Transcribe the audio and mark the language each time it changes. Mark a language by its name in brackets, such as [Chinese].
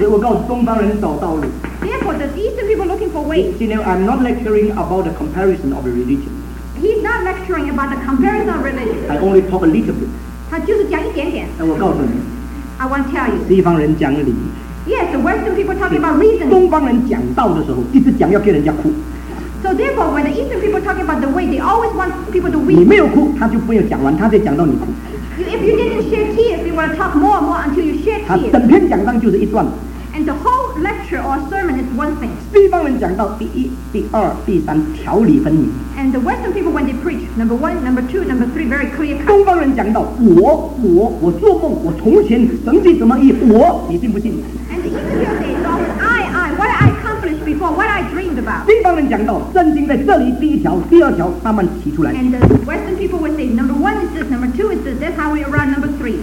[English] Therefore, the Eastern people are looking for ways. You know, I'm not lecturing about the comparison of religion. He's not lecturing about the comparison of religion. I only talk a little bit. [Chinese] 他就是讲一点点。 [English] I want to tell you. [Chinese] 西方人讲理, [English] yes, the Western people are talking about reason. [Chinese] 东方人讲道的时候, 一直讲要给人家哭。 [English] So therefore, when the Eastern people are talking about the way, they always want people to weep. [Chinese] 你没有哭, 他就不要讲完, 他就讲到你哭。 [English] If you didn't share tears, you want to talk more and more until you share tears. [Chinese] 整篇讲章就是一段. [English] And the whole lecture or sermon is one thing. [Chinese] 西方人讲到第一, 第二, 第三, 条理分明. [English] And the Western people, when they preach, number one, number two, number three, very clear cut. [Chinese] 东方人讲到, 我, 我, 我做梦, 我从前, 怎么怎么意, 我, 你信不信? [English] And the Eastern people say, it's always I, what I accomplished before, what I dreamed about. [Chinese] 西方人讲到, 圣经在这里, 第一条, 第二条, 慢慢提出来. [English] And the Western people would say, number one is this, number two is this, that's how we arrive at number three.